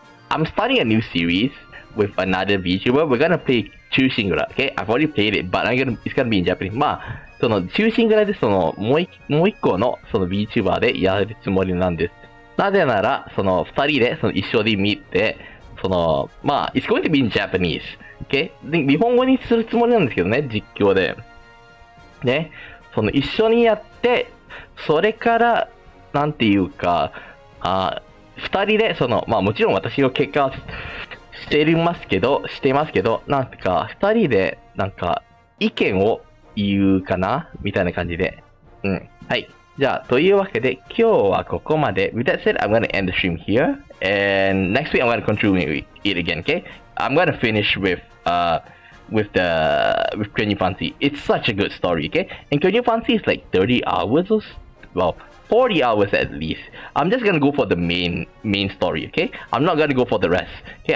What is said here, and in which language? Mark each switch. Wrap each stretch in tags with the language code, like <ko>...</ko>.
<en>I'm starting a new series with another VTuber. We're gonna play Chuu Shingura, okay? I've already played it, but it's gonna be in Japanese.</en> <ja>その中心ぐらいでそのもう一個のその VTuber でやるつもりなんです。なぜならその二人でその一緒で見て、そのまあ</ja> <en>it's going to be in Japanese, okay?</en> <ja>で日本語にするつもりなんですけどね、実況で。ね、その一緒にやって、それからなんていうか、あ、二人でそのまあもちろん私の結果はしてますけど、なんていうか二人でなんか意見を言うかなみたいな感じで。うん。はい。じゃあ、というわけで、今日はここまで。</ja> <en>With that said, I'm gonna end the stream here. And next week, I'm gonna continue it again, okay? I'm gonna finish with Kyonyuu Bansi. It's such a good story, okay? And Kyonyuu Bansi is like 30 hours or, well, 40 hours at least. I'm just gonna go for the main story, okay? I'm not gonna go for the rest, okay?</en>